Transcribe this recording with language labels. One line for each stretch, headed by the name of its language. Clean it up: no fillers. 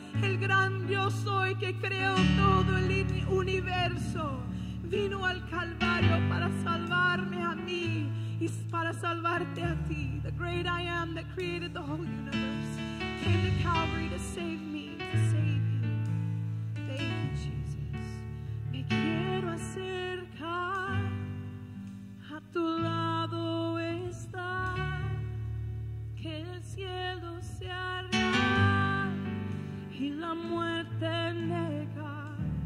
Spanish: El gran yo soy que creó todo el universo. Vino al Calvario para salvarme a mí y para salvarte a ti.
English: The great I am that created the whole universe came to Calvary to save me, to save you. Thank you, Jesus.
Spanish: Me quiero acercar a tu lado estar, que el cielo se hará y la muerte nega.